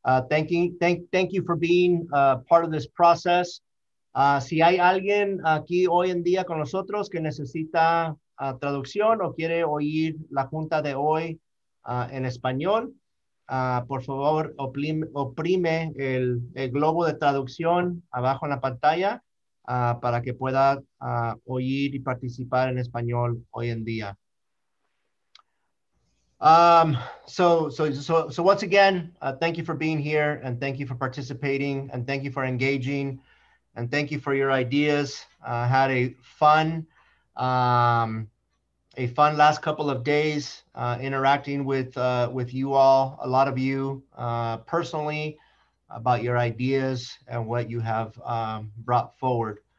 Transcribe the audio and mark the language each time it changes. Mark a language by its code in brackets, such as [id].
[en] Thank you for being part of this process. [es] Si hay alguien aquí hoy en día con nosotros que necesita traducción o quiere oír la junta de hoy en español, por favor, oprime el globo de traducción abajo en la pantalla para que pueda oír y participar en español hoy en día. [en] So once again, thank you for being here and thank you for participating and thank you for engaging and thank you for your ideas. Had a fun last couple of days interacting with you all, a lot of you personally, about your ideas and what you have brought forward.